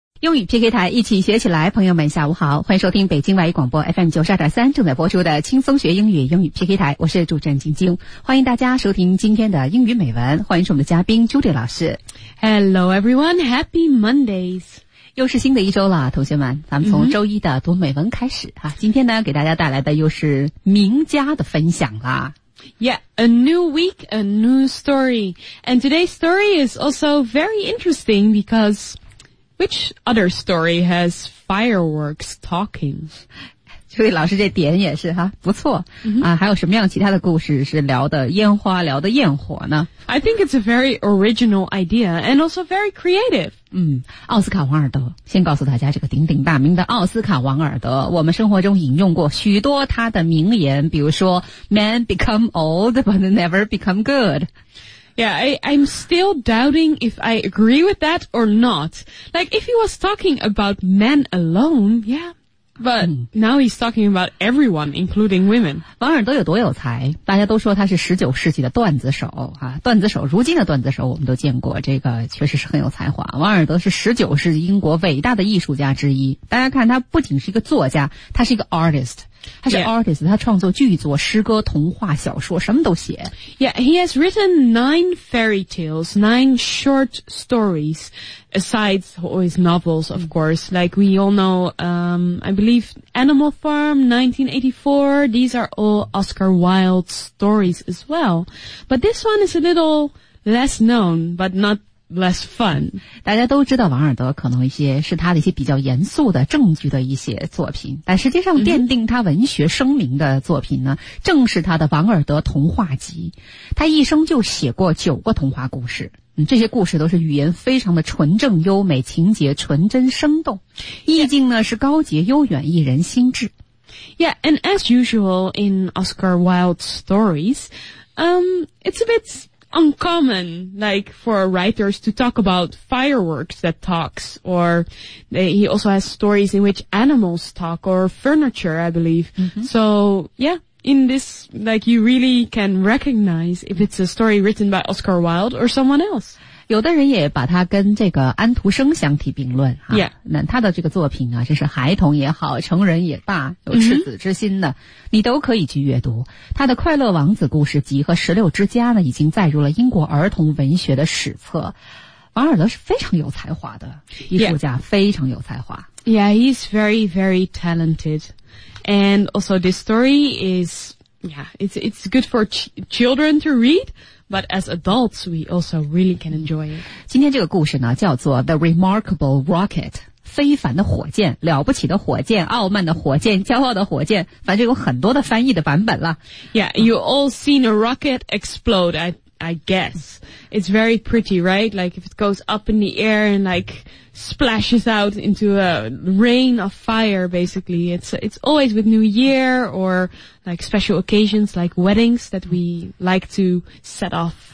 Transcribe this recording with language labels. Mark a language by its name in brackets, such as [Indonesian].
[Chinese] 英语 PK 台一起学起来，朋友们下午好，欢迎收听北京外语广播 FM92.3 正在播出的轻松学英语英语 PK 台，我是主持人晶晶，欢迎大家收听今天的英语美文，欢迎是我们的嘉宾 Judy 老师。 [English] Hello everyone, happy Mondays. [Chinese] 又是新的一周了，同学们，咱们从周一的读美文开始，今天呢给大家带来的又是名家的分享啦。 [English] Yeah, a new week, a new story. And today's story is also very interesting because which other story has fireworks talking? [Chinese] 所以老师这点也是哈，不错，还有什么样其他的故事是聊的烟花聊的焰火呢？ [English] I think it's a very original idea and also very creative. [Chinese] 奥斯卡王尔德，先告诉大家这个鼎鼎大名的奥斯卡王尔德，我们生活中引用过许多他的名言，比如说 [English] Men become old but never become good. Yeah, I'm still doubting if I agree with that or not. Like, if he was talking about men alone, yeah. But now he's talking about everyone, including women. [Chinese] 王尔德有多有才，大家都说他是19世纪的段子手，段子手，如今的段子手我们都见过，这个确实是很有才华。王尔德是19世纪英国伟大的艺术家之一。大家看，他不仅是一个作家，他是一个 artist。他是 artist, 他创作剧作、诗歌、童话、小说，什么都写。 [English] Yeah, he has written 9 fairy tales, 9 short stories, aside from his novels, of course. Like we all know, I believe Animal Farm, 1984, these are all Oscar Wilde stories as well. But this one is a little less known, but not... less fun. [Chinese] 大家都知道王尔德可能一些是他的一些比较严肃的证据的一些作品，但实际上奠定他文学声名的作品呢，正是他的王尔德童话集。他一生就写过9个童话故事，这些故事都是语言非常的纯正优美，情节纯真生动，意境呢，是高洁悠远，一人心智。 [English] Yeah, and as usual in Oscar Wilde stories, it's a bit... uncommon, like, for writers to talk about fireworks that talks, or he also has stories in which animals talk, or furniture, I believe. Mm-hmm. So, yeah, in this, like, you really can recognize if it's a story written by Oscar Wilde or someone else. [Chinese] 有的人也把他跟这个安徒生相提并论啊。 [English] Yeah. [Chinese] 那他的这个作品啊，这是孩童也好，成人也罢，有赤子之心的，你都可以去阅读。他的《快乐王子故事集》和《16之家》呢，已经载入了英国儿童文学的史册。王尔德是非常有才华的艺术家，非常有才华。 [English] Yeah, he's very, very talented. And also this story is, yeah, it's good for children to read. But as adults, we also really can enjoy it. [Chinese] 今天这个故事呢，叫做 The Remarkable Rocket, 非凡的火箭，了不起的火箭，傲慢的火箭，骄傲的火箭，反正有很多的翻译的版本了。 [English] Yeah, you all seen a rocket explode, I guess. It's very pretty, right? Like if it goes up in the air and like... splashes out into a rain of fire, basically. It's always with New Year or like special occasions like weddings that we like to set off.